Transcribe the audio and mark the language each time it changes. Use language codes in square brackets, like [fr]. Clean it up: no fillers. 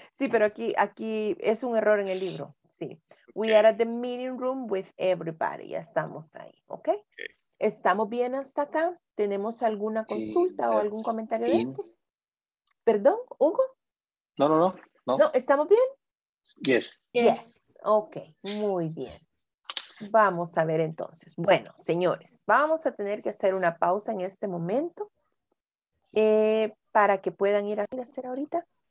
[es] Sí, pero aquí es un error en el libro. Sí. Okay. [en] We are at the meeting room with everybody. [es] Ya estamos ahí. Okay? [en] Okay. [es] ¿Estamos bien hasta acá? ¿Tenemos alguna consulta o algún comentario de estos? ¿Perdón, Hugo? No. ¿Estamos bien? [en] Yes. [es] Okay, muy bien. Vamos a ver entonces. Bueno, señores, vamos a tener que hacer una pausa en este momento para que puedan ir a hacer ahorita.